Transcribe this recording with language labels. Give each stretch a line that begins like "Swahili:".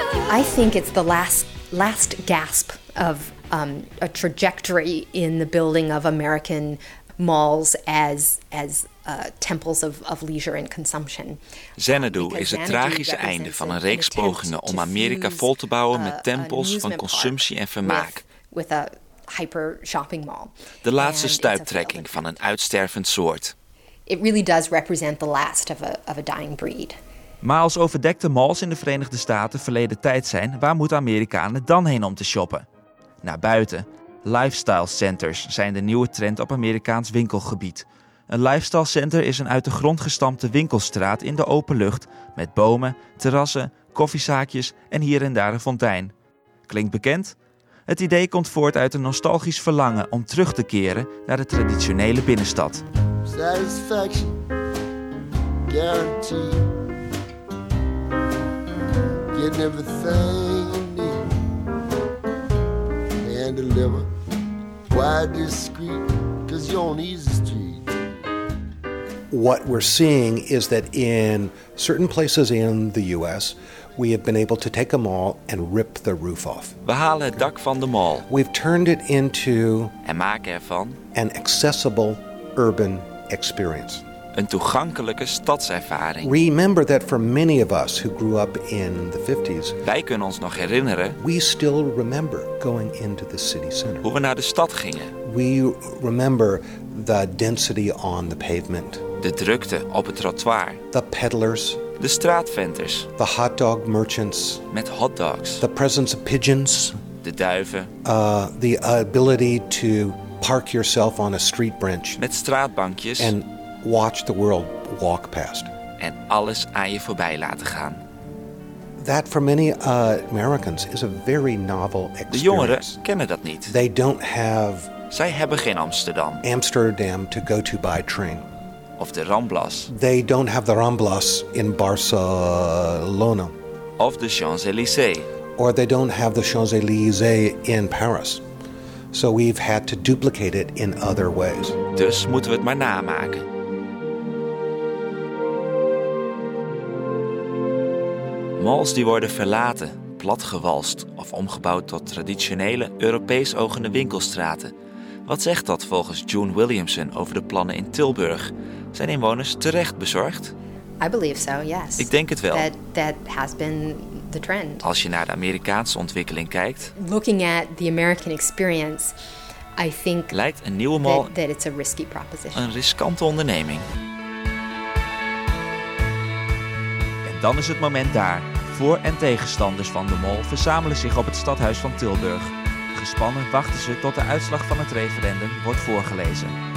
English: I think it's the last gasp of a trajectory in the building of American malls as temples of leisure and consumption.
Dutch: Xanadu is het tragische einde van een reeks pogingen om Amerika vol te bouwen met tempels van consumptie en vermaak.
English: With a hyper shopping mall.
Dutch: De laatste stuiptrekking van een uitstervend soort.
English: It really does represent the last of a dying breed.
Dutch: Maar als overdekte malls in de Verenigde Staten verleden tijd zijn, waar moeten Amerikanen dan heen om te shoppen? Naar buiten. Lifestyle centers zijn de nieuwe trend op Amerikaans winkelgebied. Een lifestyle center is een uit de grond gestampte winkelstraat in de open lucht met bomen, terrassen, koffiezaakjes en hier en daar een fontein. Klinkt bekend? Het idee komt voort uit een nostalgisch verlangen om terug te keren naar de traditionele binnenstad.
English: Satisfaction guarantee. Get everything you need. And deliver. Quite discreet, 'cause you're on easy street. What we're seeing is that in certain places in the US, we have been able to take a mall and rip the roof off.
Dutch: We halen het dak van de mall.
English: We've turned it into
Dutch: en maken ervan
English: an accessible urban experience.
Dutch: Een toegankelijke stadservaring.
English: Remember that for many of us who grew up in the 50s,
Dutch: wij kunnen ons nog herinneren.
English: We still remember going into the city center.
Dutch: Hoe we naar de stad gingen.
English: We remember the density on the pavement.
Dutch: De drukte op het trottoir.
English: The peddlers.
Dutch: De straatventers.
English: The hot dog merchants.
Dutch: Met hot dogs.
English: The presence of pigeons.
Dutch: De duiven.
English: The ability to park yourself on a street bench.
Dutch: Met straatbankjes.
English: And watch the world walk past.
Dutch: En alles aan je voorbij laten gaan.
English: That for many Americans is a very novel experience.
Dutch: De jongeren kennen dat niet.
English: They don't have.
Dutch: Zij hebben geen Amsterdam.
English: Amsterdam to go to by train.
Dutch: Of de Ramblas.
English: They don't have the Ramblas in Barcelona.
Dutch: Of de Champs-Élysées.
English: Or they don't have the Champs-Élysées in Paris. So we've had to duplicate it in other ways.
Dutch: Dus moeten we het maar namaken. Malls die worden verlaten, platgewalst of omgebouwd tot traditionele Europees ogende winkelstraten. Wat zegt dat volgens June Williamson over de plannen in Tilburg? Zijn inwoners terecht bezorgd?
English: I believe so, yes.
Dutch: Ik denk het wel.
English: That has been the trend.
Dutch: Als je naar de Amerikaanse ontwikkeling kijkt.
English: Looking at the American experience, I think
Dutch: lijkt een nieuwe mall
English: that it's a risky proposition.
Dutch: Een riskante onderneming. En dan is het moment daar. Voor- en tegenstanders van de mall verzamelen zich op het stadhuis van Tilburg. Gespannen wachten ze tot de uitslag van het referendum wordt voorgelezen.